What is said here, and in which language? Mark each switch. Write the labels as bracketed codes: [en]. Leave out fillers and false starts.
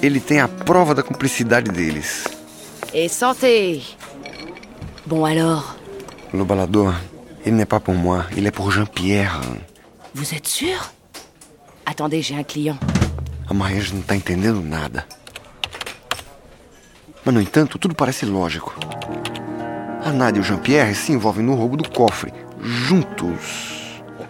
[pt] Ele tem a prova da cumplicidade deles. [fr] Et santé. Bon alors. Le balador, ele n'est pas pour moi, il est pour Jean-Pierre. Vous êtes sûr? Attendez, j'ai un client. [pt] A Marie-Ange não está entendendo nada. Mas, no entanto, tudo parece lógico. A Nadia e o Jean-Pierre se envolvem no roubo do cofre, juntos.